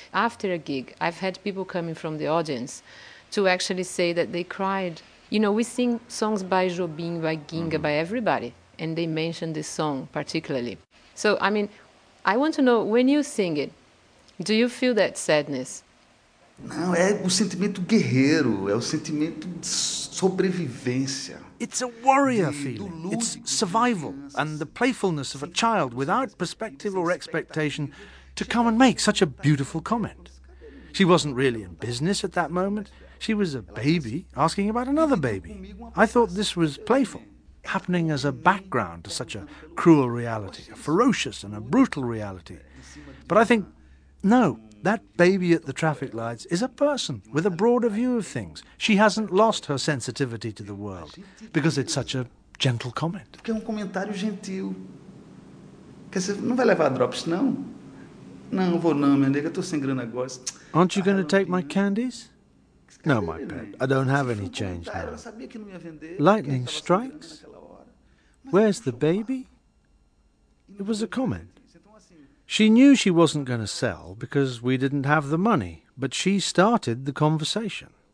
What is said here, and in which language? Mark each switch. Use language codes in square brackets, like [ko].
[en] After a gig, I've had people coming from the audience to actually say that they cried. You know, we sing songs by Jobim, by Ginga, by everybody. And they mentioned this song particularly. So, I mean, I want to know, when you sing it, do you feel that sadness? [pt] Não, é o sentimento guerreiro, é o sentimento de sobrevivência. [en] It's a warrior feeling, it's survival, and the playfulness of a child without perspective or expectation to come and make such a beautiful comment. She wasn't really in business at that moment, she was a baby asking about another baby. I thought this was playful. Happening as a background to such a cruel reality, a ferocious and a brutal reality. But I think, no, that baby at the traffic lights is a person with a broader view of things. She hasn't lost her sensitivity to the world because it's such a gentle comment. [pt] Porque é comentário gentil. Quer dizer, não vai levar drops, não? Não, vou não, minha nega, tô sem grana agora. [en] Aren't you going to take my candies? No, my pet, I don't have any change now. Lightning strikes? Where's the baby? It was a comment. She knew she wasn't going to sell because we didn't have the money, but she started the conversation.